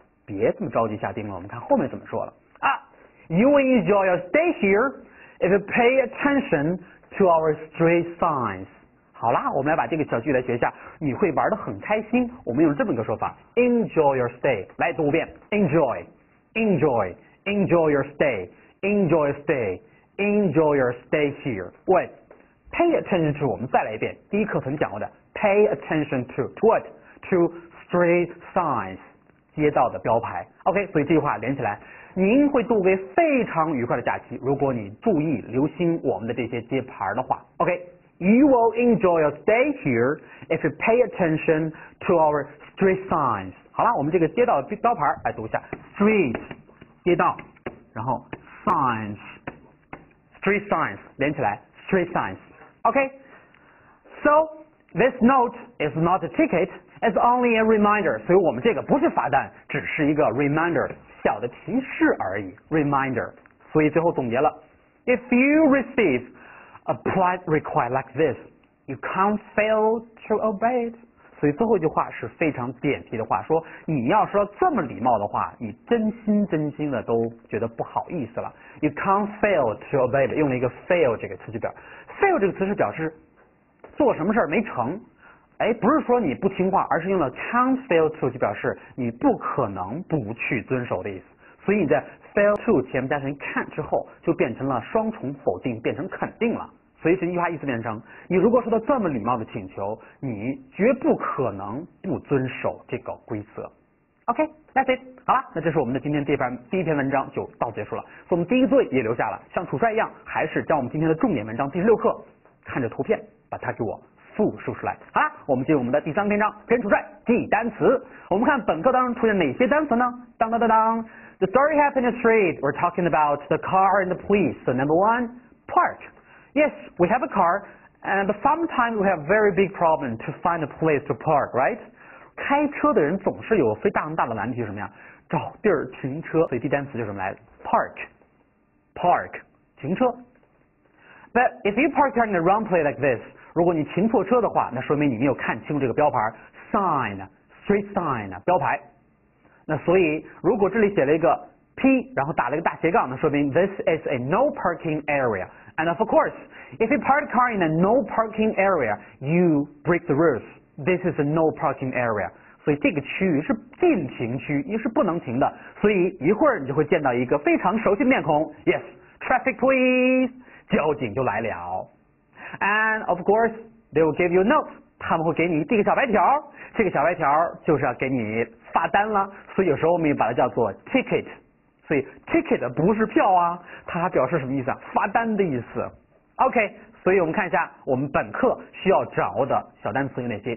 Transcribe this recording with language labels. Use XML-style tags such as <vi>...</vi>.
<zh>别这么着急下定了，我们看后面怎么说了。</zh> <en>You will enjoy your stay here if you pay attention to our street signs。</en> <zh>好啦，我们来把这个小句来学一下。你会玩得很开心。我们用这么一个说法 ，</zh> <en>enjoy your stay， 来读五遍 ，enjoy your stay，enjoy stay，enjoy your stay here。Wait。 Pay attention to，</en> <zh>我们再来一遍，第一课曾讲过的 ，</zh> <en>pay attention to what to street signs，</en> <zh>街道的标牌。 OK， 所以这句话连起来，您会度过非常愉快的假期，如果你注意留心我们的这些街牌的话。</zh> <en>OK， you will enjoy your stay here if you pay attention to our street signs。</en> <zh>好了，我们这个街道标牌来读一下 ，street 街道，然后 signs street signs 连起来 street signs。</zh> <en>OK， so this note is not a ticket, it's only a reminder.</en> <zh>所以我们这个不是罚单，只是一个 reminder， 小的提示而已。</zh> <en>Reminder，</en> <zh>所以最后总结了</zh> <en>，If you receive a polite request like this, you can't fail to obey it.</en> <zh>所以最后一句话是非常点题的话，说你要说这么礼貌的话，你真心的都觉得不好意思了。</zh> <en>You can't fail to obey it，</en> <zh>用了一个 fail 这个词句表。fail 这个词是表示做什么事儿没成，哎，不是说你不听话，而是用了 can't fail to 就表示你不可能不去遵守的意思。所以你在 fail to 前面加上 can 之后，就变成了双重否定，变成肯定了。所以这句话意思变成：你如果说到这么礼貌的请求，你绝不可能不遵守这个规则。</zh> <en>OK， that's it。</en> <zh>好了，那这是我们的今天第一篇文章就到结束了。所以我们第一个作业也留下了，像楚帅一样，还是将我们今天的重点文章第16课，看着图片把它给我复述出来。好了，我们进入我们的第三篇章，跟楚帅记单词。我们看本课当中出现哪些单词呢？</zh> <en>当当当当 ，The story happened in the street. We're talking about the car and the police. So number one, park. Yes, we have a car, and sometimes we have very big problem to find a place to park, right?</en> <zh>开车的人总是有非常大的难题，什么呀？找地儿停车。所以第一单词就是什么来 ？Park， 停车。</zh> <en>But if you park in the wrong place like this，</en> <zh>如果你停错车的话，那说明你没有看清这个标牌 ，sign，street sign， 标牌。那所以如果这里写了一个 P 然后打了个大斜杠，那说明</zh> <en>this is a no parking area. And of course, if you park car in a no parking area, you break the rules. This is a no parking area.</en> <zh>所以这个区域是禁停区，也是不能停的。所以一会儿你就会见到一个非常熟悉的面孔。</zh> <en>Yes, traffic please.</en> <zh>交警就来了。</zh> <en>And of course, they will give you a note.</en> <zh>他们会给你递个小白条。这个小白条就是要给你发单了。所以有时候我们也把它叫做 ticket. 所以 ticket 不是票啊，它表示什么意思啊？发单的意思。 OK， 所以我们看一下我们本课需要掌握的小单词有哪些。</zh>